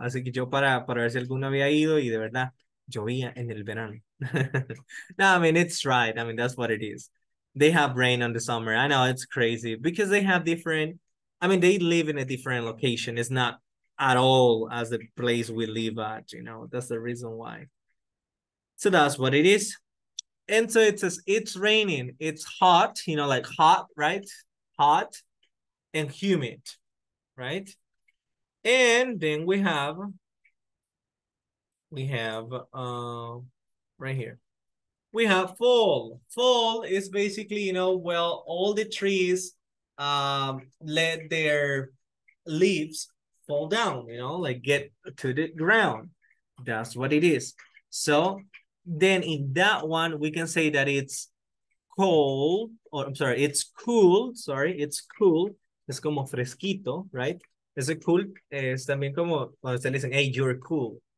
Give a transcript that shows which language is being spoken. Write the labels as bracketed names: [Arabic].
[Spanish] Así que yo para ver si alguno había ido y de verdad llovía en el verano. [English] No, I mean, it's right. I mean, that's what it is. They have rain in the summer. I know it's crazy because they have different... I mean, they live in a different location. It's not at all as the place we live at, you know. That's the reason why. So that's what it is. And so it says it's raining. It's hot, you know, like hot, right? Hot and humid, right? And then we have right here. We have fall. Fall is basically, you know, well, all the trees let their leaves fall down, you know, like get to the ground. That's what it is. So then in that one, we can say that it's cold, or I'm sorry, it's cool. Sorry, it's cool. [Spanish] Es como fresquito, [English] right? Es cool. [Spanish] Es también como cuando se dicen, [English] hey, you're cool.